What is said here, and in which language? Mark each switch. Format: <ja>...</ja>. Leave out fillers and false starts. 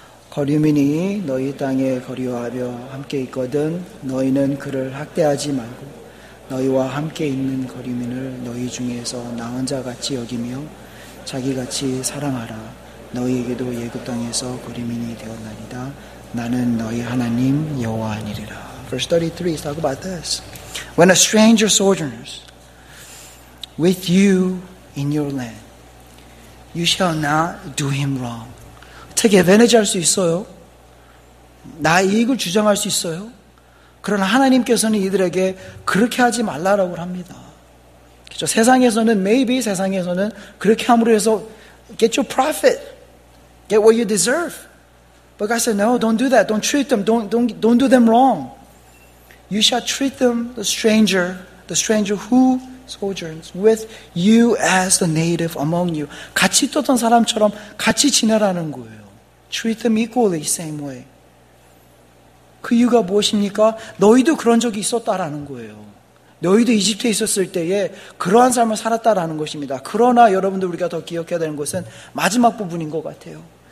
<ko>거류민이 너희 땅에 거류하며 함께 있거든 너희는 그를 학대하지 말고 너희와 함께 있는 거류민을 너희 중에서 나은 자같이 여기며 자기같이 사랑하라. 너희에게도 애굽 땅에서 거류민이 되었나니다. 나는 너희 하나님 여호와니라.</ko> <en>Verse 33, let's talk about this. When a stranger sojourns with you in your land, you shall not do him wrong.</en> <ko>되게 advantage 할 수 있어요. 나의 이익을 주장할 수 있어요. 그러나 하나님께서는 이들에게 그렇게 하지 말라라고 합니다. 그렇죠? 세상에서는 maybe 세상에서는 그렇게 함으로 해서 get your profit.</ko> <en>Get what you deserve. But God said, no, don't do that. Don't treat them. Don't do them wrong. You shall treat them, the stranger who sojourns with you as the native among you.</en> <ko>같이 떴던 사람처럼 같이 지내라는 거예요.</ko> <en>Treat them equally, same way.</en> <ko>그 이유가 무엇입니까? 너희도 그런 적이 있었다라는 거예요. 너희도 이집트에 있었을 때에 그러한 삶을 살았다라는 것입니다. 그러나 여러분들 우리가 더 기억해야 되는 것은 마지막 부분인 것 같아요.</ko>